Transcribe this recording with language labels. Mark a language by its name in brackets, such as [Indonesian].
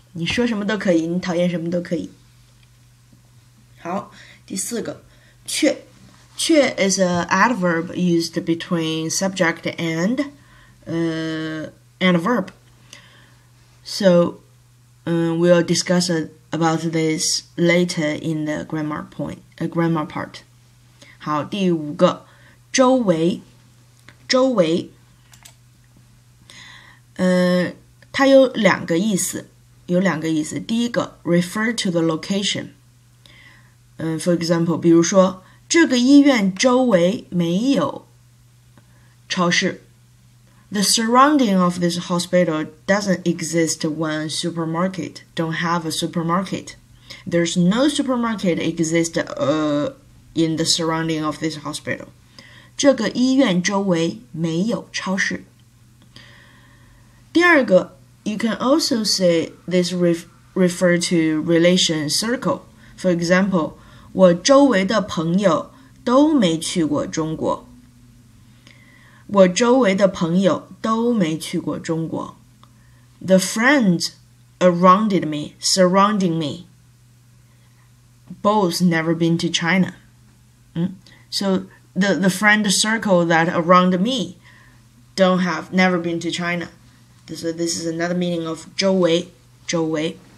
[Chinese] 你说什么都可以，你讨厌什么都可以。好，第四个，却，却 [English] is an adverb used between subject and, and a verb. So, we'll discuss about this later in the grammar point, grammar part. [Chinese] 好，第五个，周围，周围。它有两个意思，有两个意思。第一个 [English] refer to the location. For example, [Chinese] 比如说这个医院周围没有超市。 [English] The surrounding of this hospital doesn't exist one supermarket, don't have a supermarket. There's no supermarket exist in the surrounding of this hospital. [Chinese] 这个医院周围没有超市。第二个 [English] you can also say this refer to relation circle. For example, [Chinese] 我周围的朋友都没去过中国。我周围的朋友都没去过中国。 [English] The friends surrounding me, both never been to China. So the friend circle that around me never been to China. So this is another meaning of [Chinese] 周围，周围。